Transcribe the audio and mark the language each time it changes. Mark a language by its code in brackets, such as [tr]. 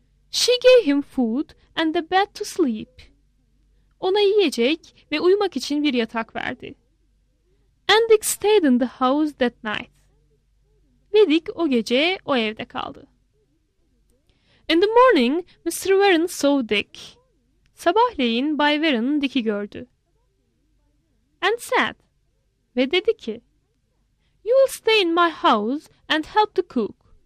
[en] She gave him food and a bed to sleep. [tr] Ona yiyecek ve uyumak için bir yatak verdi. [en] And Dick stayed in the house that night. [tr] Ve Dick o gece o evde kaldı. [en] In the morning, Mr. Warren saw Dick. [tr] Sabahleyin Bay Warren Dick'i gördü. [en] And said, [tr] ve dedi ki, [en] You will stay in my house and help the cook.